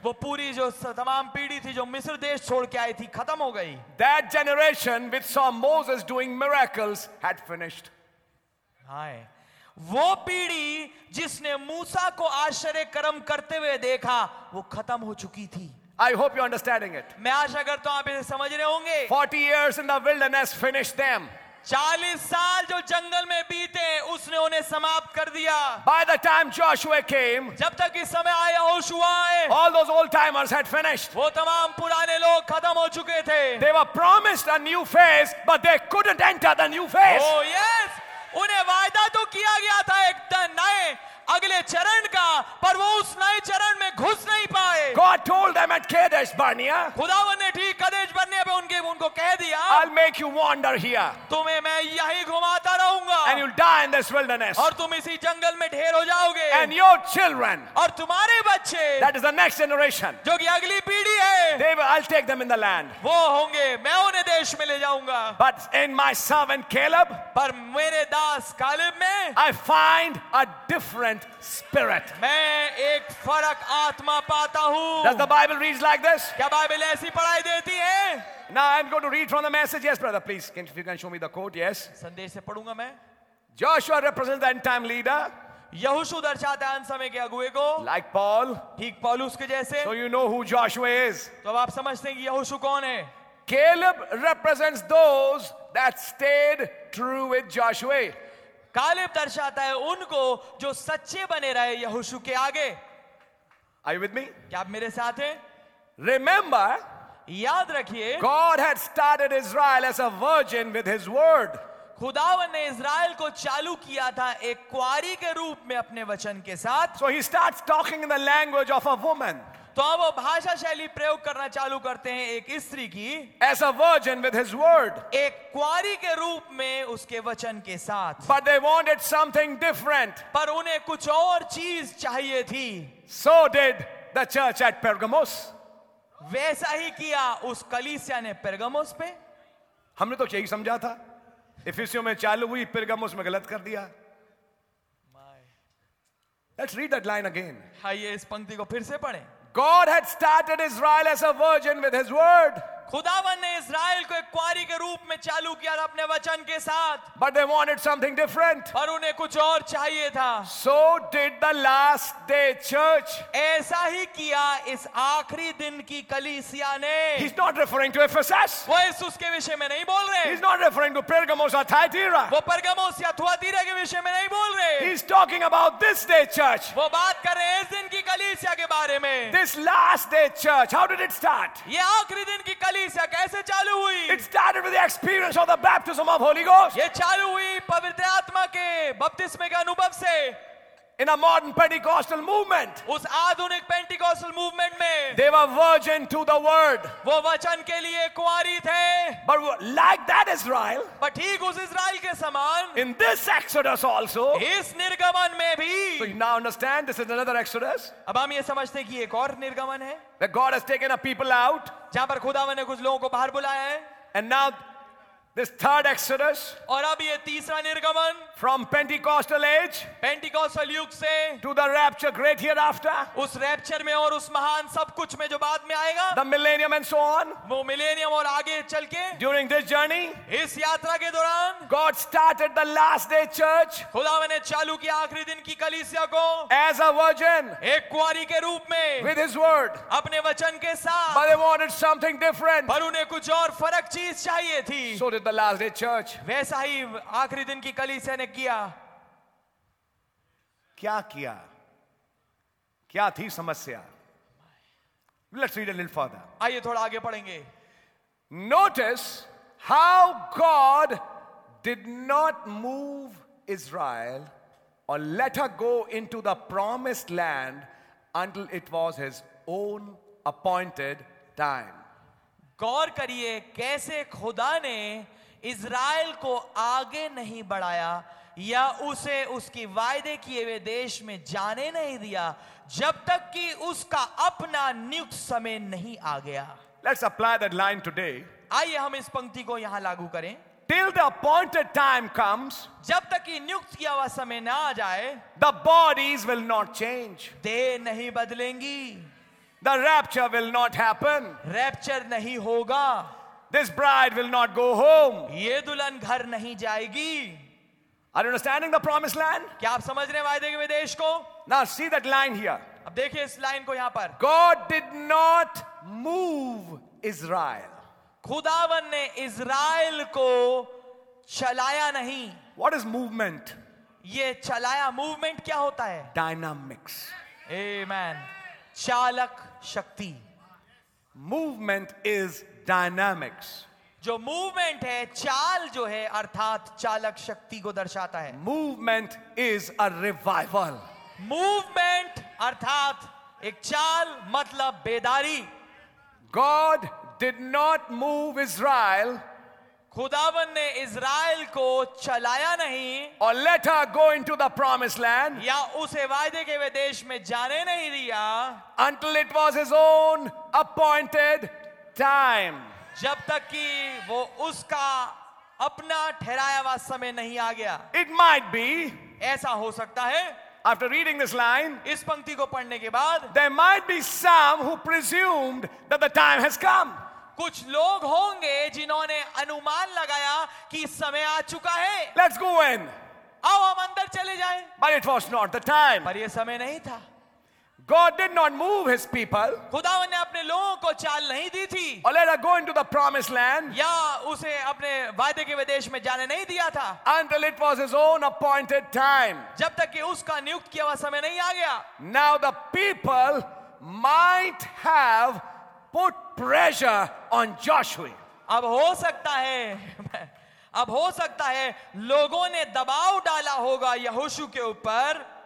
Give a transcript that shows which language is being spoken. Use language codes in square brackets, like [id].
[hi] वो पूरी जो तमाम पीढ़ी थी जो मिस्र देश छोड़ के आई थी खत्म हो गई. [en] That generation which saw Moses doing miracles had finished. [hi] हाय. वो पीढ़ी जिसने मूसा को आश्चर्य कर्म करते हुए देखा वो खत्म हो चुकी थी. [en] I hope you're understanding it. [hi] मैं आशा करता हूँ आप इसे समझ रहे होंगे. [en] 40 years in the wilderness finished them. [hi] 40 साल जो जंगल में बीते उसने उन्हें समाप्त कर दिया. [en] By the time Joshua came, [hi] जब तक इस समय आया यहोशुआ आए, [en] all those old timers had finished. [hi] वो तमाम पुराने लोग खत्म हो चुके थे. [en] They were promised a new phase, but they couldn't enter the new phase. Oh yes, [hi] उन्हें वायदा तो किया गया था एक नए अगले चरण का, पर वो उस नए चरण में घुस नहीं पाए. [en] God told them at Kadesh Barnea. [hi] खुदावन ने ठीक कदेश बर्निया पे उनके उनको कह दिया. [en] I'll make you wander here. [hi] तुम्हें मैं यही घुमाता रहूंगा. [en] And you'll die in this wilderness. [hi] और तुम इसी जंगल में ढेर हो जाओगे. [en] And your children. [hi] और तुम्हारे बच्चे. [en] That is the next generation. [hi] जो कि अगली पीढ़ी है. [en] I'll take them in the land. [hi] वो होंगे, मैं उन्हें देश में ले जाऊंगा. [en] But in my servant Caleb. [hi] पर मेरे दास कालेब में. [en] I find a different spirit. [hi] मैं एक फरक आत्मा पाता हूँ. [en] Does the Bible reads like this? [hi] क्या बाइबल ऐसी पढ़ाई देती है? [en] Now I'm going to read from the message. Yes, brother, please. Can if you can show me the quote? Yes. [hi] संदेश से पढूंगा मैं. [en] Joshua represents the end time leader. [hi] यहोशू दर्शाता है अंत समय के अगुए को. [en] Like Paul. [hi] ठीक पौलुस के जैसे. [en] So you know who Joshua is. [hi] तो अब आप समझते हैं कि यहोशू कौन है. [en] Caleb represents those that stayed true with Joshua. [hi] Caleb दर्शाता है उनको जो सच्चे बने रहे यहोशू के आगे. [en] Are you with me? [hi] क्या आप मेरे साथ हैं? [en] Remember, [hi] याद रखिए. [en] God had started Israel as a virgin with His word. [hi] खुदावन ने इज़राइल को चालू किया था एक कुआरी के रूप में अपने वचन के साथ. [en] So he starts talking in the language of a woman. [hi] तो वो भाषा शैली प्रयोग करना चालू करते हैं एक स्त्री की. [en] As a virgin with his word. [hi] एक कुआरी के रूप में उसके वचन के साथ. [en] But they wanted something different. [hi] पर उन्हें कुछ और चीज चाहिए थी. [en] So did the church at Pergamos. [hi] वैसा ही किया उस कलीसिया ने पेरगमोस पे. हमने तो यही समझा था. इफिसियों में चालू हुई, पेरगमोस में गलत कर दिया. [en] Let's read that line again. [hi] आइए इस पंक्ति को फिर से पढ़ें. [en] God had started Israel as a virgin with His word. [hi] खुदावन ने इज़राइल को एक कुआरी के रूप में चालू किया था अपने वचन के साथ. [en] But they wanted something different. [hi] पर उन्हें कुछ और चाहिए था. [en] So did the last day church. [hi] ऐसा ही किया इस आखिरी दिन की कलीसिया ने. [en] He's not referring to Ephesus. [hi] वो इफिसुस के विषय में नहीं बोल रहे. [en] He's not referring to Pergamos or Thyatira. [hi] वो पर्गमोस या थुआतीरा के विषय में नहीं बोल रहे. [en] He's talking about this day church. [hi] वो बात कर रहे हैं इस दिन की कलीसिया के बारे में. [en] This last day church. How did it start? [hi] ये आखिरी दिन की कैसे चालू हुई? [en] It started with the experience of the baptism of Holy Ghost. [hi] ये चालू हुई पवित्र आत्मा के बपतिस्मे के अनुभव से. [en] In a modern Pentecostal movement. [hi] उस आधुनिक Pentecostal movement में. [en] They were virgin to the word. [hi] वो वचन के लिए कुआरी थे. [en] But like that Israel. [hi] पर ठीक उस इज़राइल के समान. [en] In this Exodus also. [hi] इस निर्गमन में भी. [en] So you now understand this is another Exodus. [hi] अब हम ये समझते हैं कि एक और निर्गमन है. [en] Where God has taken a people out. [hi] जहाँ पर खुदा ने कुछ लोगों को बाहर बुलाया है. [en] And now this third Exodus. [hi] और अब ये तीसरा निर्गमन. [en] From Pentecostal age. [hi] Pentecostal युग से. [en] To the rapture great hereafter. [hi] उस रैप्चर में और उस महान सब कुछ में जो बाद में आएगा. [en] The millennium and so on. [hi] वो मिलेनियम और आगे चल के. [en] During this journey. [hi] इस यात्रा के दौरान. [en] God started the last day church. [hi] खुदा ने चालू किया आखिरी दिन की कलीसिया को. [en] As a virgin. [hi] एक कुआरी के रूप में. [en] With His word. [hi] अपने वचन के साथ. [en] But they wanted something different. [hi] पर उन्हें कुछ और फर्क चीज चाहिए थी. [en] So did the last day church. [hi] वैसा ही आखिरी दिन की कलीसिया ने किया. क्या किया? क्या थी समस्या? [en] Let's read a little further. [hi] आइए थोड़ा आगे पढ़ेंगे. [en] Notice how God did not move Israel or let her go into the promised land until it was His own appointed time. [hi] गौर करिए कैसे खुदा ने इज़राइल को आगे नहीं बढ़ाया या उसे उसकी वायदे किए हुए देश में जाने नहीं दिया जब तक कि उसका अपना नियुक्त समय नहीं आ गया. [en] Let's apply that line today. [hi] आइए हम इस पंक्ति को यहां लागू करें. [en] Till the appointed time comes, [hi] जब तक कि नियुक्त किया हुआ समय ना आ जाए, [en] the bodies will not change. [hi] देह नहीं बदलेंगी. [en] The rapture will not happen. [hi] Rapture नहीं होगा. [en] This bride will not go home. [hi] ये दुल्हन घर नहीं जाएगी. [en] Are you understanding the promised land? [hi] क्या आप समझ रहे हैं वायदे के देश को? [en] Now see that line here. [hi] अब देखिए इस लाइन को यहां पर. [en] God did not move Israel. [hi] खुदावन ने इज़राइल को चलाया नहीं. [en] What is movement? [hi] ये चलाया movement क्या होता है? [en] Dynamics. [hi] Amen. चालक शक्ति. [en] Movement is dynamics. [hi] जो movement है चाल जो है अर्थात चालक शक्ति को दर्शाता है. [en] Movement is a revival. [hi] Movement अर्थात एक चाल मतलब बेदारी. [en] God did not move Israel. [hi] खुदावन ने इज़राइल को चलाया नहीं. [en] Or let her go into the promised land. [hi] या उसे वायदे के वे देश में जाने नहीं दिया. [en] Until it was His own appointed time. [hi] जब तक कि वो उसका अपना ठहराया हुआ समय नहीं आ गया. [en] It might be. [hi] ऐसा हो सकता है. [en] After reading this line. [hi] इस पंक्ति को पढ़ने के बाद. [en] There might be some who presumed that the time has come. [hi] कुछ लोग होंगे जिन्होंने अनुमान लगाया कि समय आ चुका है. [en] Let's go in. [hi] आओ हम अंदर चले जाएं. [en] But it was not the time. [hi] पर ये समय नहीं था. [en] God did not move His people. [hi] खुदावन ने अपने लोगों को चाल नहीं दी थी. [en] Or let her go into the promised land. [hi] या उसे अपने वायदे के विदेश में जाने नहीं दिया था. [en] Until it was His own appointed time. [hi] जब तक कि उसका नियुक्त किया हुआ समय नहीं आ गया. [en] Now the people might have put pressure on Joshua. [hi] अब हो सकता है लोगों ने दबाव डाला होगा यहोशू के ऊपर.